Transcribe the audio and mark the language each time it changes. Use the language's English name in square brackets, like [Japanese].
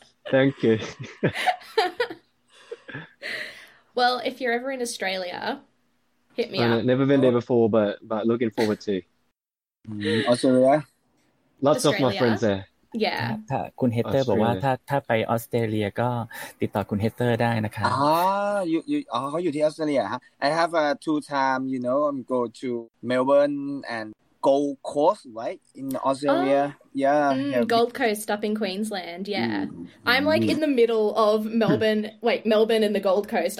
[English] Thank you. Well, if you're ever in Australia, hit me up. Never been there before, but looking forward to. Australia. Lots of my friends there. Yeah. [Thai] ถ้าคุณเฮเตอร์บอกว่าถ้าไปออสเตรเลียก็ติดต่อคุณเฮเตอร์ได้นะคะ เขาอยู่ที่ออสเตรเลียฮะ [English] I have a two time, you know, I'm go to Melbourne and Gold Coast, right? In Australia. Gold Coast up in Queensland, yeah. Mm. I'm like in the middle of Melbourne. Wait, Melbourne and the Gold Coast.